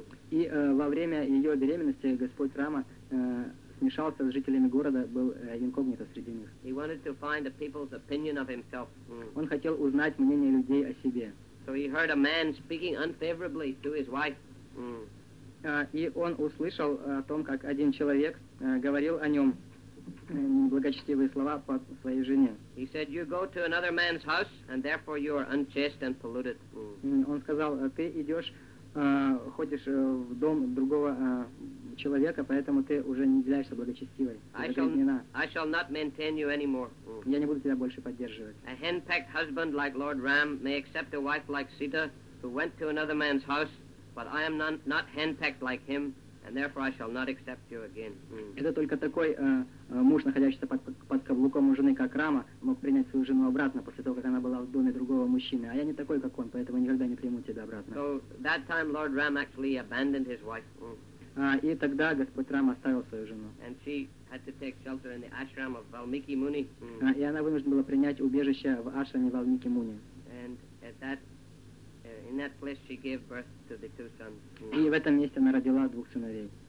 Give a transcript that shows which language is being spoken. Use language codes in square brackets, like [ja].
[ru] И во время ее беременности Господь Рама смешался с жителями города, был инкогнито среди них. [en] He wanted to find the people's opinion of himself. [ru] Он хотел узнать мнение людей о себе. [en] So he heard a man speaking unfavorably to his wife. [ru] И он услышал о том, как один человек говорил о нем благочестивые слова по своей жене. [en] He said, you go to another man's house, and therefore you are unchaste and polluted. [ru] Он сказал, ты идешь, ходишь в дом другого человека, поэтому ты уже не являешься благочестивой. [en] I shall not maintain you anymore. [ru] Я не буду тебя больше поддерживать. [en] A henpecked husband like Lord Ram may accept a wife like Sita, who went to another man's house, but I am not henpecked like him, and therefore I shall not accept you again. [ru] Это только такой муж, находящийся под каблуком у жены, как Рама, мог принять свою жену обратно после того, как она была в доме другого мужчины. А я не такой, как он, поэтому никогда не приму тебя обратно. [en] So that time Lord Ram actually abandoned his wife. [ru] И тогда Господь Рама оставил свою жену. [en] And she had to take shelter in the ashram of Valmiki Muni. [ru] И она вынуждена была принять убежище в ашраме Валмики Муни. [en] And at that, in that place she gave birth to the two sons. [ru] И в этом месте она родила двух сыновей.